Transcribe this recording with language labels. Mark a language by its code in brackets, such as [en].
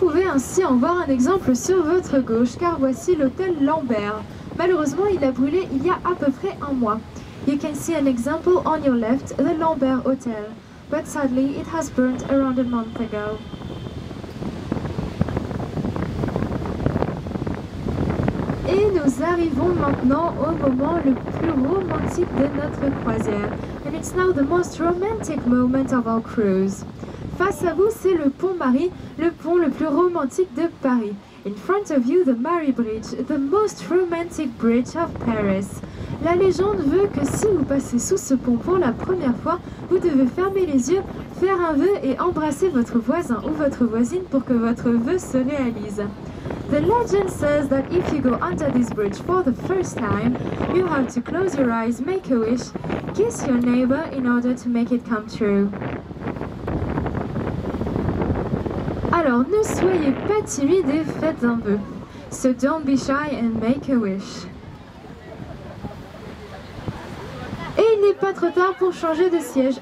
[fr] Ainsi en voir un exemple sur votre gauche, car voici l'hôtel Lambert. Malheureusement, il a brûlé il y a à peu près un mois. [en] You can see an example on your left, the Lambert Hotel. But sadly, it has burnt around a month ago. [fr] Et nous arrivons maintenant au moment le plus romantique de notre croisière. [en] And it's now the most romantic moment of our cruise. [fr] Face à vous, c'est le pont Marie, le pont le plus romantique de Paris. [en] In front of you, the Marie Bridge, the most romantic bridge of Paris. [fr] La légende veut que si vous passez sous ce pont pour la première fois, vous devez fermer les yeux, faire un vœu et embrasser votre voisin ou votre voisine pour que votre vœu se réalise. [en] The legend says that if you go under this bridge for the first time, you have to close your eyes, make a wish, kiss your neighbor in order to make it come true. [fr] Alors ne soyez pas timide et faites un vœu. [en] So don't be shy and make a wish. [fr] Et il n'est pas trop tard pour changer de siège.